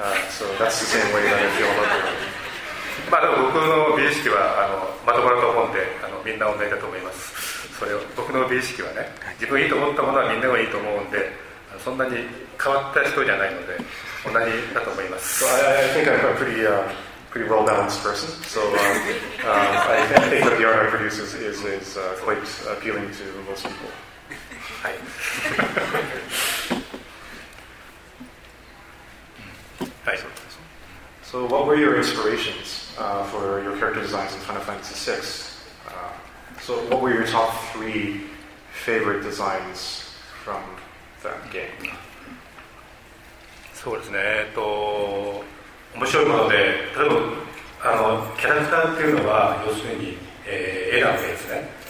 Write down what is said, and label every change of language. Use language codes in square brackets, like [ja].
[en] So that's the same way that I feel about her. [ja] まあでも僕の美意識はまとまると思うんで、みんな同じだと思います。それを僕の美意識はね、自分いいと思ったものはみんながいいと思うんで、そんなに変わった人じゃないので同じだと思います。 [en] So I think I'm pretty pretty well balanced person, so I think that the art I produce is quite appealing to most people. Hi. Hi. So, what were your inspirations for your character designs in Final Fantasy VI? So, what were your top three favorite designs from that game? [ja] そうですね。面白いもので、例えばキャラクターっていうのは要するに、絵なわけですね。